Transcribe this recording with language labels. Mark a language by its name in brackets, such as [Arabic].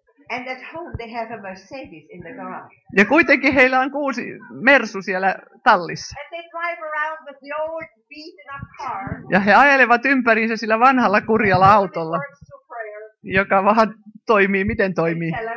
[English] And at home they have a Mercedes in the garage. [Finnish] Ja kuitenkin heillä on uusi Mersu siellä tallissa. [English] And they drive around with the old beaten up car. [Finnish] Ja he ajelevat ympäriinsä sillä vanhalla kurjalla autolla, joka vaan toimii, miten toimii.